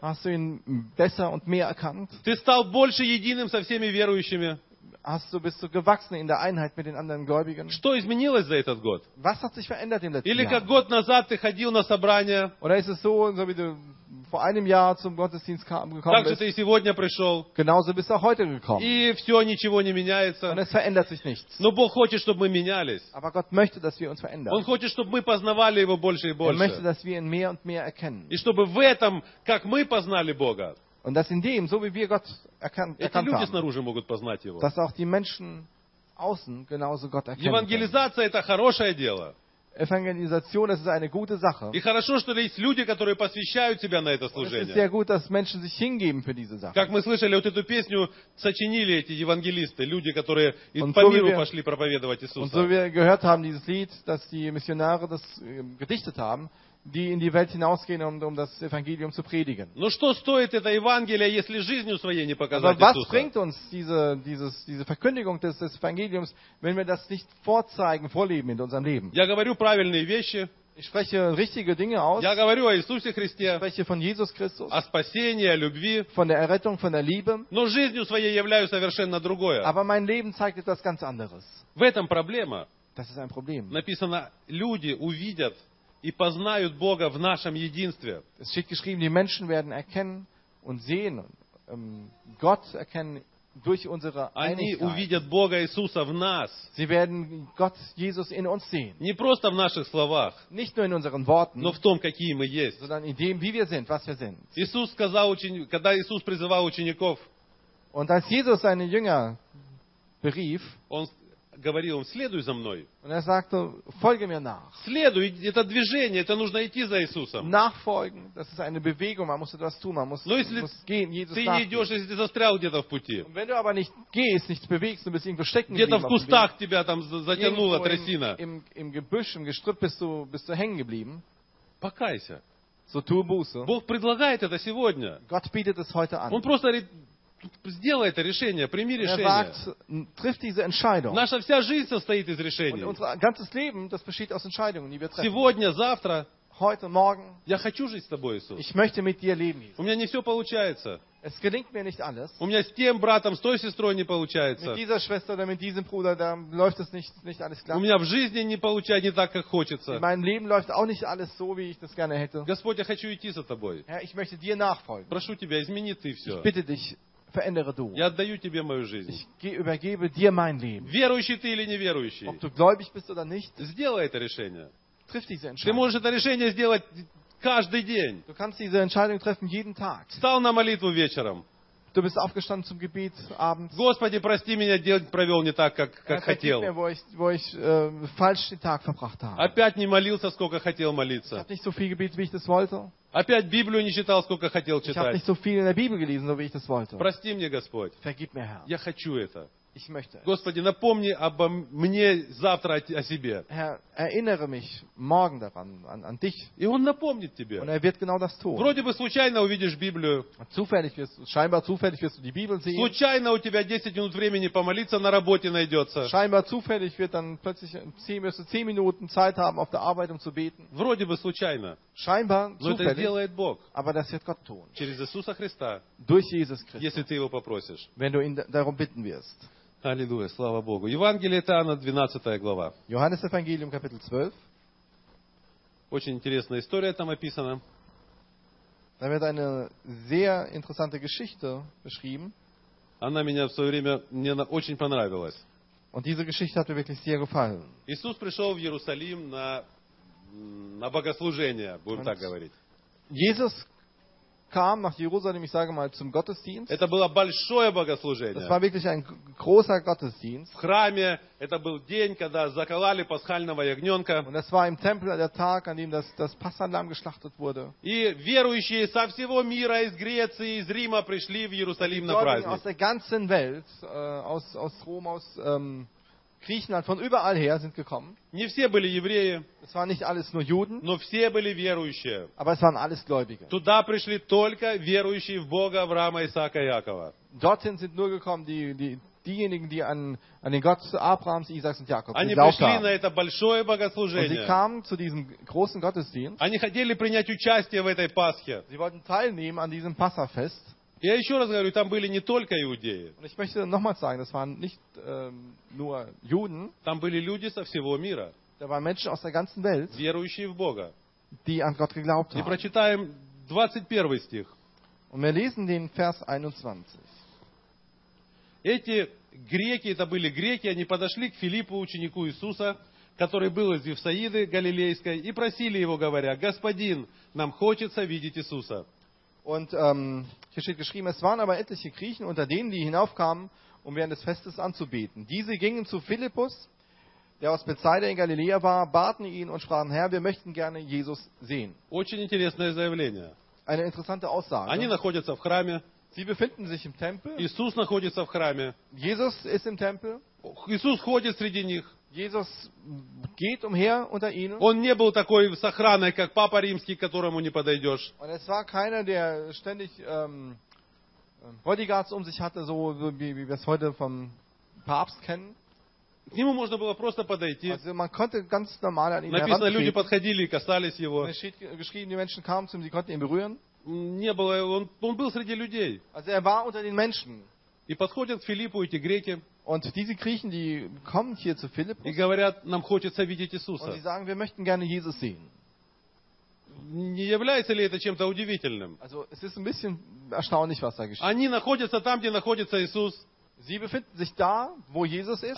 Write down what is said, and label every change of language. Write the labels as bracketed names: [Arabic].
[German] Hast du ihn besser und mehr erkannt? [Russian] Ты стал больше единым со всеми верующими? [German] Bist du gewachsen in der Einheit mit den anderen Gläubigen? [Russian] Что изменилось за этот год? [German] Was hat sich verändert im letzten [Russian] Или [German] Jahr? [Russian] Или как год назад ты ходил на собрание? [German] Oder ist es so wie du vor einem Jahr zum Gottesdienst gekommen [Russian] так, [German] bist. [Russian] Ты сегодня пришел. [German] Genauso bist du auch heute gekommen. [Russian] И все, ничего не меняется. [German] Und es verändert sich nichts. [Russian] Но Бог хочет, чтобы мы менялись. [German] Aber Gott möchte, dass wir uns verändern. [Russian] Он хочет, чтобы мы познавали его больше и больше. [German] Er möchte, dass wir ihn mehr und mehr erkennen. [Russian] И чтобы в этом, как мы познали Бога. [German] Und dass in dem, so wie wir Gott erkannt [Russian] люди [German] haben, [Russian] снаружи могут познать его. [German] Dass auch die Menschen außen genauso Gott erkennen. [Russian] Евангелизация это хорошее дело. [German] Evangelisation, das ist eine gute Sache. [Russian] И хорошо, что есть люди, которые посвящают себя на это служение. [German] Es ist sehr gut, dass Menschen sich hingeben für diese Sache. [Russian] Как мы слышали, вот эту песню сочинили эти евангелисты, люди, которые по миру пошли проповедовать Иисуса. Und so wir gehört haben dieses Lied, dass die Missionare das gedichtet haben, die in die Welt hinausgehen, um das Evangelium zu predigen. Но что стоит это Евангелие, если жизнью своей не показать Иисуса? [German] Was bringt uns diese Verkündigung des Evangeliums, wenn wir das nicht vorzeigen, vorleben in unserem Leben? [Russian] Я говорю правильные вещи. [German] Ich spreche richtige Dinge aus. [Russian] Я говорю о Иисусе Христе. [German] Ich spreche von Jesus Christus. [Russian] О спасении, о любви. [German] Von der Errettung, von der Liebe. [Russian] Но жизнью своей являю совершенно другое. [German] Aber mein Leben zeigt etwas ganz anderes. [Russian] В этом проблема. [German] Das ist ein Problem. [Russian] Написано, люди увидят и познают Бога в нашем единстве. [German] Es steht geschrieben, die Menschen werden erkennen und sehen Gott erkennen durch unsere Einigkeit. [Russian] Они увидят Бога Иисуса в нас. [German] Sie werden Gott Jesus in uns sehen. [Russian] Не просто в наших словах. [German] Nicht nur in unseren Worten. [Russian] Но в том, какие мы есть. [German] Sondern in dem, wie wir sind, was wir sind. [Russian] Иисус сказал когда Иисус призывал учеников. [German] Und als Jesus seine Jünger berief. [Russian] Он говорил им, следуй за мной. [German] Und sagte, folge mir nach. [Russian] Следуй, это движение, это нужно идти за Иисусом. [German] Nachfolgen, das ist eine Bewegung, man muss etwas tun, man muss, [Russian] но если [German] muss gehen, Jesus [Russian] ты не идешь, если ты застрял где-то в пути. [German] Und wenn du aber nicht gehst, nichts bewegst, du bist irgendwo stecken [Russian] где-то в кустах тебя там затянула трясина. [German] Im Gebüsch, im Gestrüpp bist du hängen geblieben. [Russian] Покайся. [German] So tue Buße. [Russian] Бог предлагает это сегодня. [German] Gott bietet es heute an. [Russian] Он просто говорит, сделай это решение, прими решение. [German] Sagt, triff diese Entscheidung. [Russian] Наша вся жизнь состоит из решений. [German] Unser ganzes Leben, das besteht aus Entscheidungen, die wir treffen. [Russian] Сегодня, завтра, [German] heute, morgen, [Russian] я хочу жить с тобой, Иисус. [German] Ich möchte mit dir leben, Jesus. [Russian] У меня не все получается. [German] Es gelingt mir nicht alles. [Russian] У меня с тем братом, с той сестрой не получается. [German] Mit dieser Schwester oder mit diesem Bruder, da läuft es nicht alles klar. [Russian] У меня в жизни не получается не так, как хочется. [German] In meinem Leben läuft auch nicht alles so, wie ich das gerne hätte. [Russian] Господь, я хочу идти за тобой. [German] Herr, ich möchte dir nachfolgen. [Russian] Прошу тебя, измени ты все. [German] Ich bitte dich, verändere du. [Russian] Я отдаю тебе мою жизнь. [German] Ich übergebe dir mein Leben. [Russian] Верующий ты или неверующий? [German] Ob du gläubig bist oder nicht? [Russian] Сделай это решение. [German] Triff diese Entscheidung. [Russian] Ты можешь это решение сделать. [German] Du kannst diese Entscheidung treffen jeden Tag. [Russian] Встал на молитву вечером. [German] Du bist aufgestanden zum Gebet abends. [Russian] Господи, прости меня, день провел не так, как хотел. [German] Mir, wo ich falsch den Tag verbracht habe. [Russian] Опять не молился, сколько хотел молиться. [German] Ich habe nicht so viel gebetet, wie ich das wollte. [Russian] Опять Библию не читал, сколько хотел читать. [German] Ich habe nicht so viel in der Bibel gelesen, so wie ich das wollte. [Russian] Прости мне, Господь. [German] Vergib mir, Herr. [Russian] Я хочу это. [German] Ich möchte. [Russian] Господи, напомни обо мне завтра о себе. [German] Herr, erinnere mich morgen daran, an dich. [Russian] И он напомнит тебе. [German] Und wird genau das tun. [Russian] Вроде бы случайно увидишь Библию. [German] Scheinbar zufällig wirst du die Bibel sehen. [Russian] Случайно у тебя 10 минут времени помолиться на работе найдется. [German] Scheinbar zufällig wird dann plötzlich 10 Minuten Zeit haben auf der Arbeit, um zu beten. [Russian] Вроде бы случайно. [German] Scheinbar zufällig. [Russian] Но это делает Бог. [German] Aber das wird Gott tun. [Russian] Через Иисуса Христа. [German] Durch Jesus Christus. [Russian] Если ты его попросишь. [German] Wenn du ihn darum bitten wirst. [Russian] Аллилуйя, слава Богу. Евангелие Иоанна, 12 глава. [German] Johannes Evangelium, Kapitel 12. [Russian] Очень интересная история там описана. [German] Da wird eine sehr interessante Geschichte beschrieben. [Russian] Она меня в свое время, мне она очень понравилась. [German] Und diese Geschichte hat mir wirklich sehr gefallen. [Russian] Иисус пришел в Иерусалим на богослужение, будем так говорить. [German] Jesus kam nach Jerusalem, ich sage mal, zum Gottesdienst. [Russian] Это было большое богослужение. [German] Das war wirklich ein großer Gottesdienst. [Russian] В храме это был день, когда заколали пасхального ягненка. [German] Und das war im Tempel der Tag, an dem das Passahlamm geschlachtet wurde. [Russian] И верующие со всего мира, из Греции, из Рима пришли в Иерусалим на праздник. [German] Aus der ganzen Welt, aus Rom, aus Griechenland, von überall her sind gekommen. [Russian] Не все были евреи. [German] Es waren nicht alles nur Juden. [Russian] Но все были верующие. [German] Aber es waren alles Gläubige. [Russian] Туда пришли только верующие в Бога Авраама, Исаака, Якова. [German] Dorthin sind nur gekommen diejenigen, die an den Gott Abrahams, Isaaks und Jakobs glaubten. [Russian] Они пришли на это большое богослужение. [German] Und sie kamen zu diesem großen Gottesdienst. [Russian] Они хотели принять участие в этой Пасхе. [German] Sie wollten teilnehmen an diesem Passafest. [Russian] Я еще раз говорю, там были не только иудеи. [German] Und ich möchte nochmal sagen, das waren nicht nur Juden. [Russian] Там были люди со всего мира. [German] Da waren Menschen aus der ganzen Welt. [Russian] Верующие в Бога. [German] Die an Gott geglaubt haben. [Russian] И прочитаем 21 стих. [German] Und wir lesen den Vers 21. [Russian] Эти греки, это были греки, они подошли к Филиппу, ученику Иисуса, который был из Вифсаиды Галилейской, и просили его, говоря: «Господин, нам хочется видеть Иисуса». [German] Und hier steht geschrieben, es waren aber etliche Griechen unter denen, die hinaufkamen, um während des Festes anzubeten. Diese gingen zu Philippus, der aus Bethsaida in Galiläa war, baten ihn und sprachen: Herr, wir möchten gerne Jesus sehen. [Russian] Очень интересное заявление. [German] Eine interessante Aussage. [Russian] Они находятся в храме. [German] Sie befinden sich im Tempel. [Russian] Иисус находится в храме. [German] Jesus ist im Tempel. [Russian] Иисус ходит среди них. [German] Jesus geht umher unter ihnen. [Russian] Он не был такой с охраной, как Папа Римский, к которому не подойдешь. [German] Und es war keiner, der ständig Bodyguards um sich hatte, so wie wir es heute vom Papst kennen. [Russian] К нему можно было просто подойти. [German] Also man konnte ganz normal an ihn [Russian] Написано, люди подходили и касались его. [German] Geschrieben, die Menschen kamen zu ihm, sie konnten ihn berühren. [Russian] Не было, он был среди людей. [German] Also er war unter den Menschen. [Russian] И подходят к Филиппу эти греки. [German] Und diese Griechen, die kommen hier zu Philippus. [Russian] И говорят, нам хочется видеть Иисуса. [German] Und sie sagen, wir möchten gerne Jesus sehen. [Russian] Не является ли это чем-то удивительным? [German] Also es ist ein bisschen erstaunlich, was da geschieht. [Russian] Они находятся там, где находится Иисус. [German] Sie befinden sich da, wo Jesus ist.